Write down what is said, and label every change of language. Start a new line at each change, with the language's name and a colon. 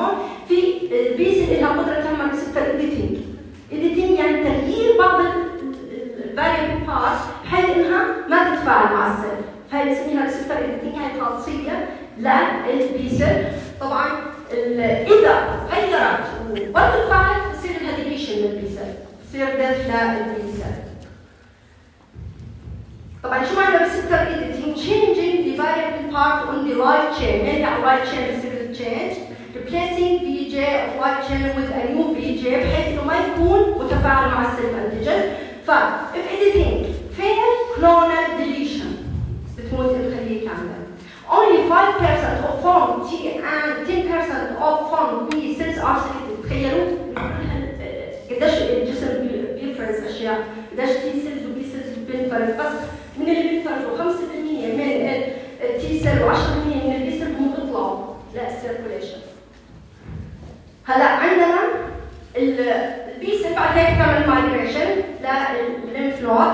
Arabic: هون في البي سيل لها قدرة تعمل ريسبتر اديتنج، اديتنج يعني تغيير بعض الفاريبل بارت بحيث انها ما تتفاعل مع السيل، فهي بنسميها ريسبتر اديتنج، هي خاصية للبي سيل. طبعا اذا غيرت وبرضه تفاعلت بصير لها ديليشن للبي سيل، بصير دب للبي سيل. طبعا شو معنى ريسبتر اديتنج؟
English: changing the variable part on the light chain،
Arabic: يعني على light chain بصير change،
English: replacing VJ of light chain with a new VJ
Arabic: بحيث انه ما يكون متفاعل مع السيلف انتيجن.
English: ف if editing fail clonal deletion
Arabic: بتموت الخلية كاملة.
English: only 5% of form T and 10% of form B cells are selected.
Arabic: تخيلوا قديش الجسم بيفرز اشياء، قديش T cells و B cells بينفرز، بس من اللي بيتفرجوا 5% من التي سيل و 10% من البي سيل هم بيطلعوا للسيركوليشن. هلا عندنا البي سيل بعد هيك بتعمل مايجريشن للليمف نود.